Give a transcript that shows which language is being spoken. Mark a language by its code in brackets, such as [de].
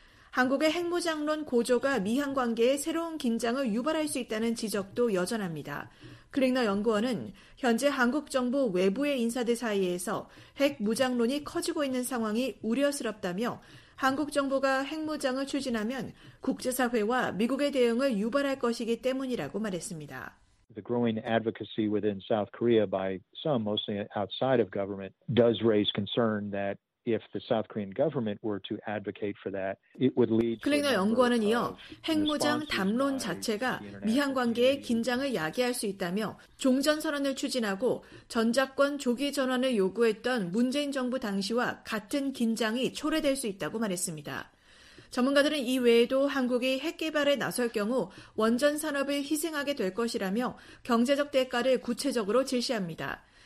[ko] 한국의 핵무장론 고조가 미한 관계에 새로운 긴장을 유발할 수 있다는 지적도 여전합니다. 클릭너 연구원은 현재 한국 정부 외부의 인사들 사이에서 핵무장론이 커지고 있는 상황이 우려스럽다며 한국 정부가 핵무장을 추진하면 국제사회와 미국의 대응을 유발할 것이기 때문이라고 말했습니다. [en] The growing advocacy within South Korea by some, mostly outside of government, does raise concern that if the South Korean government were to advocate for that, it would lead. [ko] 클릭너 연구원은 이어 핵무장 담론 자체가 미한 관계의 긴장을 야기할 수 있다며 종전 선언을 추진하고 전작권 조기 전환을 요구했던 문재인 정부 당시와 같은 긴장이 초래될 수 있다고 말했습니다. 전문가들은 이외에도 한국이 핵 개발에 나설 경우 원전 산업을 희생하게 될 것이라며 경제적 대가를 구체적으로 제시합니다.